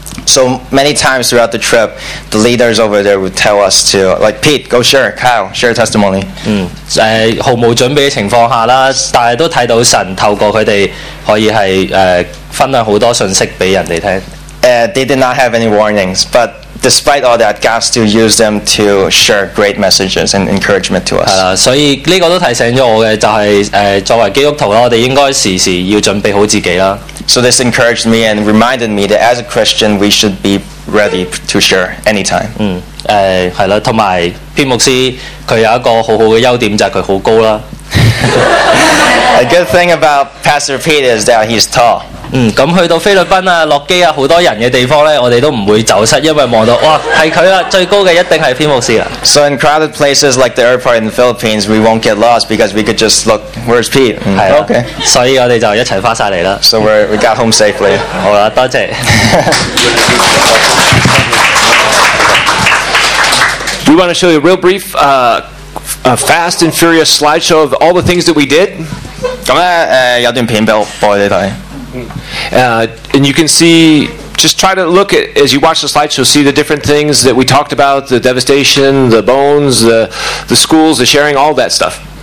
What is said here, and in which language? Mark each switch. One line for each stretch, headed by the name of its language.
English: So many times throughout the trip, the leaders over there would tell us to, like, Pete, go share, Kyle, share testimony.
Cantonese: 毫無準備的情況下啦，但係都睇到神透過佢哋可以係分享好多信息俾人哋聽。
English: They did not have any warnings, but despite all that, God still used them to share great messages and encouragement to us.
Cantonese: 所以呢個都提醒咗我嘅就係作為基督徒啦，我哋應該時時要準備好自己啦。
English: So this encouraged me and reminded me that as a Christian, we should be ready to share anytime.
Cantonese: 係啦，同埋篇牧師佢有一個好好嘅優點就係佢好高啦。
English: A good thing about Pastor Pete is that he's tall.
Cantonese: 咁去到菲律賓啊、洛基啊好多人嘅地方咧，我哋都唔會走失，因為望到哇係佢啦，最高嘅一定係篇牧師啦。
English: So in crowded places like the airport in the Philippines, we won't get lost because we could just look where's Pete.
Cantonese: 係啦 ，OK。所以我哋就一齊翻曬嚟啦。
English: So we got home safely.
Cantonese: 好啦，多謝。
English: We want to show you a real brief, a fast and furious slideshow of all the things that we did.
Cantonese: 咁咧，有段片俾我播你睇。
English: And you can see, just try to look at as you watch the slideshow, see the different things that we talked about: the devastation, the bones, the schools, the sharing, all that stuff.